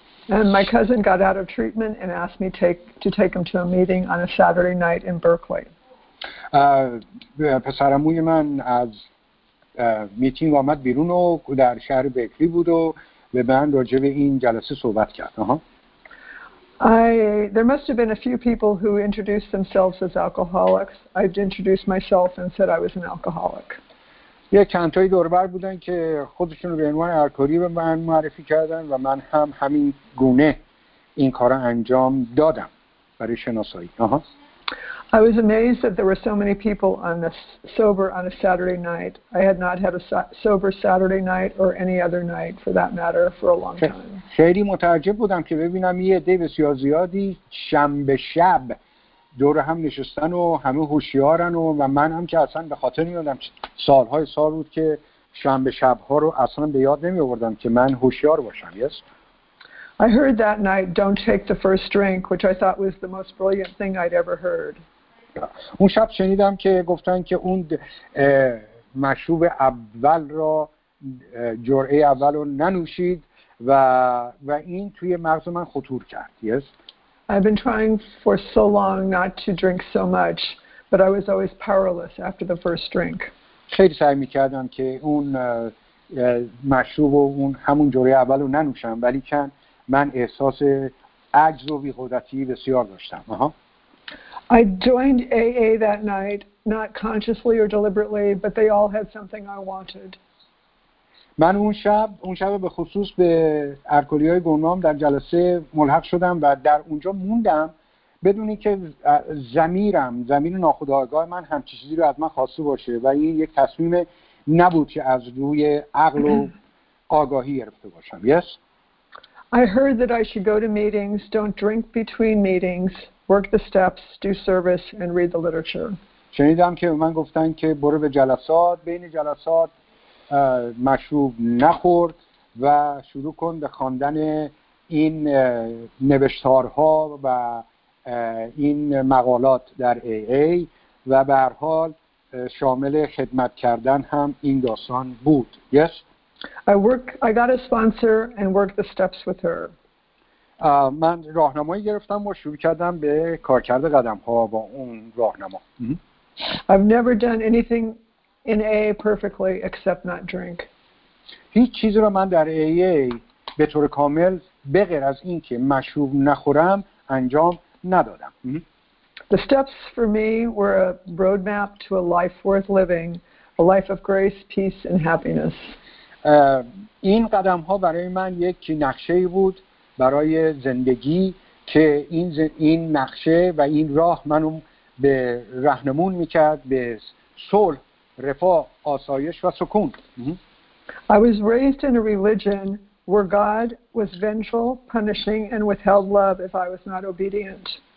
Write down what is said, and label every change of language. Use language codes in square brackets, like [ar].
[en] And my cousin got out of treatment and asked me to take him to a meeting on a Saturday night in Berkeley. [fa] پسرموی من از میتینگ اومد بیرون و در شهر برکلی بود و به من راجع به این جلسه صحبت کرد. [en] There must have been a few people who introduced themselves as alcoholics. I introduced myself and said I was an alcoholic. [fa] یه چندتایی دوربر بودن که خودشون رو به عنوان الکلی به من معرفی کردن و من هم همین گونه این کار رو انجام دادم برای شناسایی. [en] I was amazed that there were so many people on a sober on a Saturday night. I had not had a sober Saturday night or any other night for that matter for a long time. [fa] خیلی متعجب بودم که ببینم یه عده بسیار زیادی شنبه شب دور هم نشستن و همه هوشیارن و من هم که اصلا به خاطر نمیادم سالهای سال بود که شنبه شبها رو اصلا به یاد نمیوردم که من هوشیار باشم [en] yes? I heard that night don't take the first drink which I thought was the most brilliant thing I'd ever heard [fa] اون شب شنیدم که گفتن که اون مشروب اول را جرعه اول رو ننوشید و این توی مغز من خطور کرد [en] yes? I've been trying for so long not to drink so much, but I was always powerless after the first drink. [fa] خیلی سعی می‌کردم که اون مشروب و اون همون جرعه اولو ننوشم، ولی چند من احساس عجز و بی‌قدرتی بسیار داشتم. [en] I joined AA that night, not consciously or deliberately, but they all had something I wanted. [fa] من اون شب به خصوص به الکلی‌های گمنام در جلسه ملحق شدم و در اونجا موندم بدون اینکه زمیر ناخودآگاه من هم چیزی رو از من خواسته باشه و این یک تصمیم نبود که از روی عقل و آگاهی گرفته باشم [en] yes I heard that I should go to meetings don't drink between meetings work the steps do service and read the literature [fa] شنیدم که من گفتن که برو به جلسات بین جلسات مشروب نخور و شروع کن به خواندن این نوشتارها و این مقالات در AA و به هر حال شامل خدمت کردن هم این داستان بود [en] yes I got a sponsor and worked the steps with her [fa] من راهنمایی گرفتم و شروع کردم به کار کرده قدم ها با اون راهنما [en] I've never done anything in AA perfectly except not drink. [fa] هیچ چیزی رو من در AA به طور کامل به غیر از اینکه مشروب نخورم انجام ندادم. [en] The steps for me were a roadmap to a life worth living, a life of grace, peace and happiness. [fa] این قدم‌ها برای من یک نقشه‌ای بود برای زندگی که این نقشه و این راه منو به راهنمون می‌کرد به صلح رفاه، آسایش و سکون. [en] I was raised in a religion where God was vengeful, punishing and withheld love if I was not obedient.